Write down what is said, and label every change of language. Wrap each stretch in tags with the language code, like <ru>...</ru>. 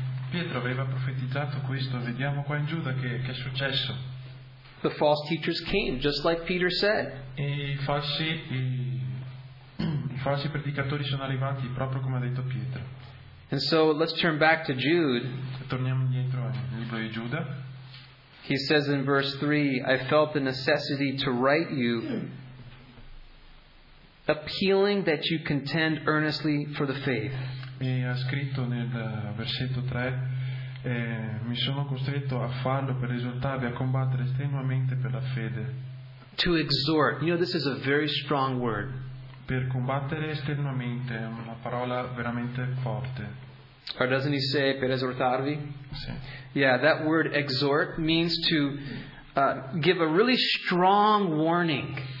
<it>Pietro aveva profetizzato questo. Vediamo qua in Giuda che è successo.</it> <en>The false teachers came, just like Peter said.</en> <it>I falsi predicatori sono arrivati proprio come ha detto Pietro.</it> <en>And so let's turn back to Jude.</en> <it>Torniamo indietro al libro di Giuda.</it> <en>He says in verse 3, I felt the necessity to write you, appealing that you contend earnestly for the faith.</en> <it>E ha scritto nel versetto 3, mi sono costretto a farlo per esortarvi a combattere strenuamente per la fede.</it> <en>To exhort, you know, this is a very strong word.</en> <it>Per combattere strenuamente, una parola veramente forte.</it> <en>Or doesn't he say</en> <it>per esortarvi? Sì.</it> <en>Yeah, that word exhort means to give a really strong warning.</en>